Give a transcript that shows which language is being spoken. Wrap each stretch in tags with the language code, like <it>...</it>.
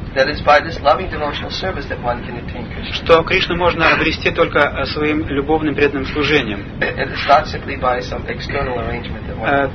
<en>that it's by this loving devotional service that one can attain Krishna.</en> <ru>Что Кришну можно обрести только своим любовным преданным служением.</ru> <en>It is not simply by some external arrangement that one...</en>